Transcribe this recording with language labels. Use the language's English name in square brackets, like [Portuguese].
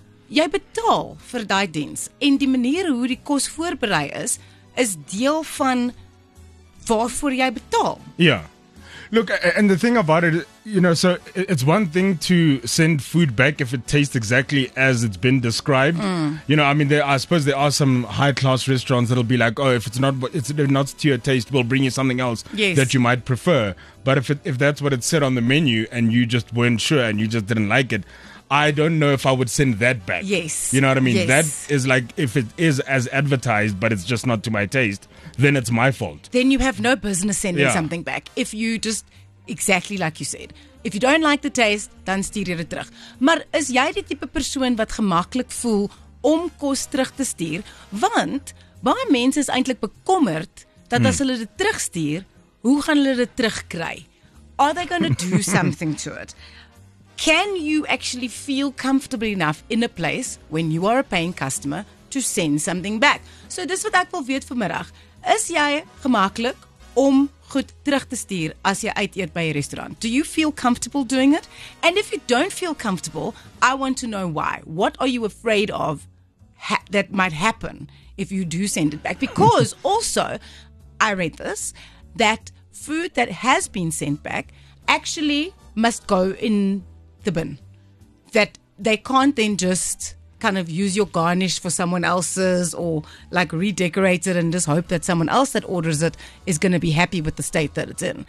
[Afrikaans] Jy betaal vir daai diens en die manier hoe die kos voorberei is, is deel van waarvoor jy betaal. Ja. [English] Look, and the thing about it, you know, so it's one thing to send food back if it tastes exactly as it's been described. Mm. You know, I mean, there, I suppose there are some high-class restaurants that'll be like, oh, if it's not to your taste, we'll bring you something else that you might prefer. But if that's what it said on the menu and you just weren't sure and you just didn't like it, I don't know if I would send that back. Yes. You know what I mean? Yes. That is like, if it is as advertised, but it's just not to my taste, then it's my fault. Then you have no business sending something back. If you just, exactly like you said, if you don't like the taste, [Afrikaans] dan stuur jy dit terug. Maar is jy die type persoon wat gemaklik voel om kos terug te stuur? Want baie mense is eintlik bekommerd dat as hulle dit terugstuur, hoe gaan hulle dit terugkry? [English] Are they going to do something to it? Can you actually feel comfortable enough in a place when you are a paying customer to send something back? [Afrikaans] So dis wat ek wil weet vanmiddag. Is jy gemaklik om goed terug te stuur as jy uit eet by 'n restaurant? [English] Do you feel comfortable doing it? And if you don't feel comfortable, I want to know why. What are you afraid of that might happen if you do send it back? Because also, I read this, that food that has been sent back actually must go in the bin, that they can't then just kind of use your garnish for someone else's or like redecorate it and just hope that someone else that orders it is going to be happy with the state that it's in.